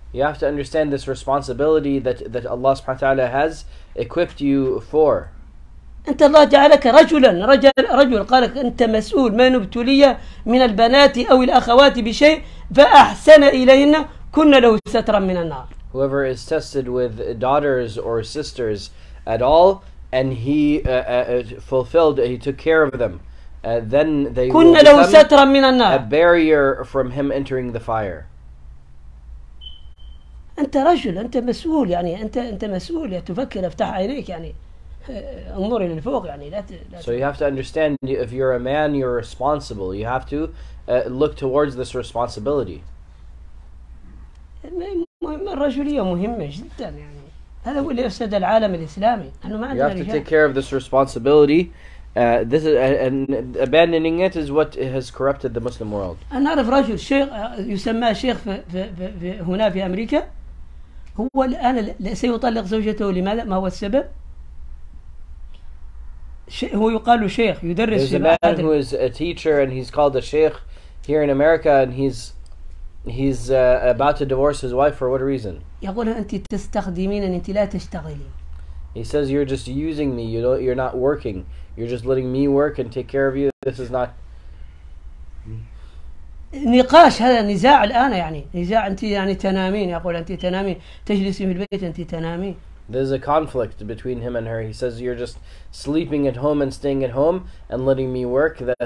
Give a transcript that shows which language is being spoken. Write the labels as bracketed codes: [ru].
[en] You have to understand this responsibility that, Allah subhanahu wa ta'ala has equipped you for. [ar] أنت الله جعلك رجلا، رجل رجل، قالك أنت مسؤول. من ابتلي من البنات أو الأخوات بشيء فأحسن إلينا كنا له سترا من النار. [en] Whoever is tested with daughters or sisters at all and he fulfilled, he took care of them, then they [ar] كنا له سترا من النار. [en] A barrier from him entering the fire. [ar] أنت رجل، أنت مسؤول، يعني أنت مسؤول، يعني تفكر، افتح عينيك، يعني انظر الى الفوق، يعني لا [en] So you have to understand if you're a man you're responsible. You have to look towards this responsibility. [ar] الرجولية مهمة جدا، يعني هذا هو اللي أفسد العالم الإسلامي. نحن ما عندنا [en] You have to take care of this responsibility. This is, and abandoning it is what has corrupted the Muslim world. [ar] أنا أعرف رجل شيخ يسمى شيخ في هنا في أمريكا، هو الآن سيطلق زوجته. لماذا؟ ما هو السبب؟ هو يقال شيخ يدرس في المعهد. [en] There's a man who is a teacher and he's called a sheikh here in America and he's about to divorce his wife for what reason? [ar] يقول أنت تستخدمين، أنت لا تشتغلين. [en] He says you're just using me. You don't, you're not working. You're just letting me work and take care of you. This is not. [ar] نقاش، هذا نزاع الآن، يعني نزاع. أنت يعني تنامين، يقول أنت تنامين، تجلسي في البيت، أنت تنامين. [en] There's a conflict between him and her. He says, "You're just sleeping at home and staying at home and letting me work.